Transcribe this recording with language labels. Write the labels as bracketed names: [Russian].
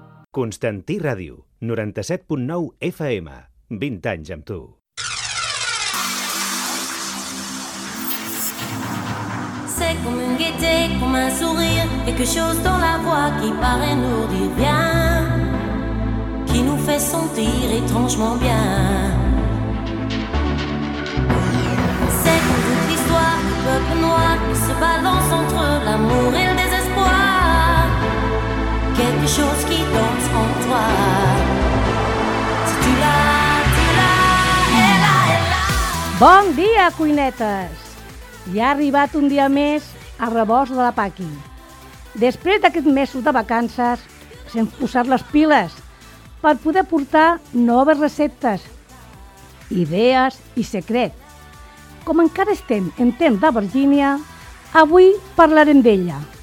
[Catalan] Constantí Ràdio, 97.9 FM, 20 anys amb tu. [French] Comme une gaieté, comme un sourire, quelque chose dans la voix qui paraît nous dire bien, qui nous fait sentir étrangement bien. C'est comme toute l'histoire du peuple noir qui se balance entre l'amour et le désespoir, quelque chose qui danse en toi. Si tu l'as, tu l'as, elle a, elle a. [Catalan] Bon dia, cuinetes! Ja ha arribat un dia més a rebost de la Paqui. Després d'aquests mesos de vacances, s'han posat les piles per poder portar noves receptes, idees i secret. Com encara estem en temps de Virgínia, avui parlarem d'ella.